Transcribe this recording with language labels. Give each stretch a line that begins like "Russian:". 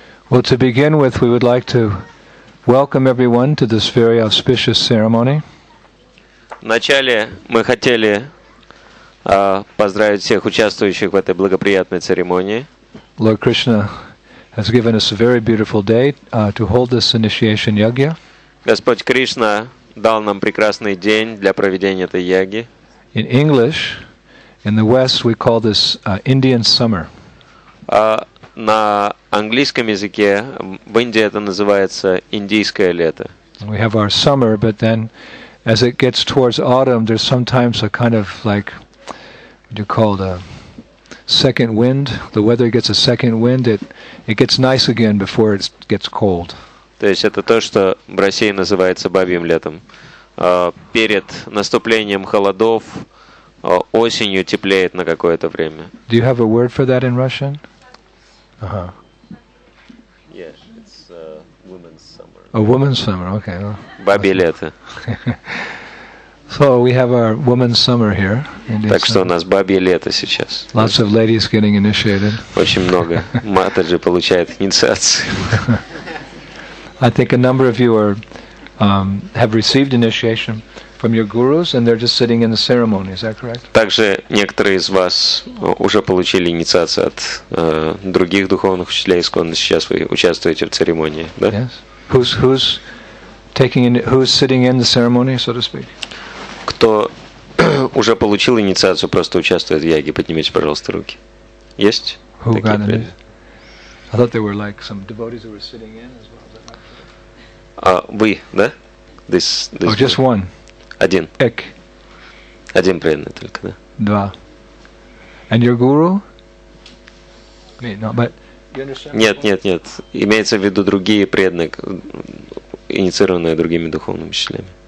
English: Well, to begin with, we would like to welcome everyone to this very auspicious ceremony.
Russian: Вначале мы хотели поздравить всех участвующих в этой благоприятной церемонии.
English: Lord Krishna has given us a very beautiful day to hold this initiation yagya.
Russian: Господь Кришна дал нам прекрасный день для проведения этой яги.
English: In English, in the West, we call this Indian summer.
Russian: На английском языке в Индии это называется индийское лето.
English: We have our summer, but then as it gets towards autumn, there's sometimes a kind of like what you call a second wind. The weather gets a second wind, it gets nice again before it gets cold.
Russian: То есть это то, что в России называется бабьим летом. Перед наступлением холодов осенью теплеет на какое-то время.
English: Do you have a word for that in Russian? Uh-huh. Yes, it's a woman's summer. A woman's summer, okay.
Russian: Бабье лето.
English: So we have our woman's summer here.
Russian: Так что у нас бабье лето сейчас.
English: Lots of ladies getting initiated.
Russian: Очень много матаджи получает инициацию.
English: I think a number of you are have received initiation from your gurus, and they're just sitting in the ceremony. Is that correct?
Russian: Также некоторые из вас уже получили инициацию от других духовных учителей, исконно сейчас вы участвуете в церемонии, да?
English: Yes. Who's sitting in the ceremony, so to speak?
Russian: Кто уже получил инициацию, просто участвует в яге, поднимите, пожалуйста, руки. Есть?
English: Who got it? I thought there were like some devotees who were sitting in as well.
Russian: Вы, да?
English: This oh, just one.
Russian: Один.
Hindi: Эк.
Russian: Один преданный только, да. Два.
English: And your guru? Me, no, but you understand?
Russian: Нет. Имеется в виду другие преданные, инициированные другими духовными учителями.